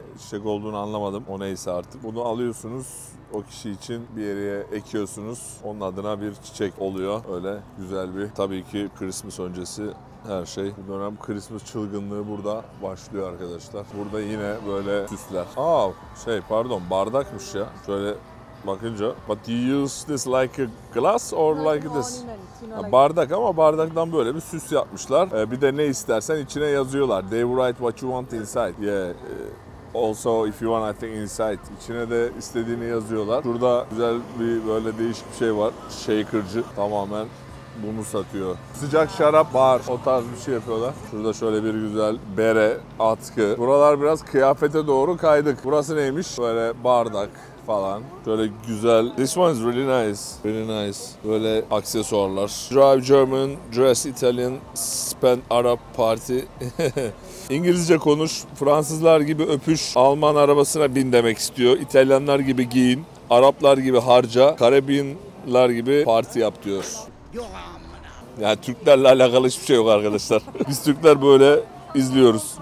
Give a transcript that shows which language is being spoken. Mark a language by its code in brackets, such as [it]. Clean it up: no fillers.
[tr] Çiçek olduğunu anlamadım. O neyse artık. Bunu alıyorsunuz. O kişi için bir yere ekiyorsunuz. Onun adına bir çiçek oluyor. Öyle güzel bir. Tabii ki Christmas öncesi her şey. Bu dönem Christmas çılgınlığı burada başlıyor arkadaşlar. Burada yine böyle süsler. Aa şey pardon bardakmış ya. Şöyle bakınca. [en] But you use this like a glass or like this? [tr] Bardak ama bardaktan böyle bir süs yapmışlar. Bir de ne istersen içine yazıyorlar. [en] They write what you want inside. Yeah. Also if you want I think inside. [tr] İçine de istediğini yazıyorlar. Şurada güzel bir böyle değişik bir şey var. Shaker'cı tamamen bunu satıyor. Sıcak şarap bar, o tarz bir şey yapıyorlar. Şurada şöyle bir güzel bere, atkı. Buralar biraz kıyafete doğru kaydık. Burası neymiş? Böyle bardak falan. Şöyle güzel. [en] This one is really nice. Really nice. Böyle aksesuarlar. Drive German, dress Italian, spend Arab party. [tr] İngilizce konuş, Fransızlar gibi öpüş, Alman arabasına bin demek istiyor. İtalyanlar gibi giyin, Araplar gibi harca, Karabinler gibi parti yap diyor. Yani Türklerle alakalı hiçbir şey yok arkadaşlar. Biz Türkler böyle izliyoruz.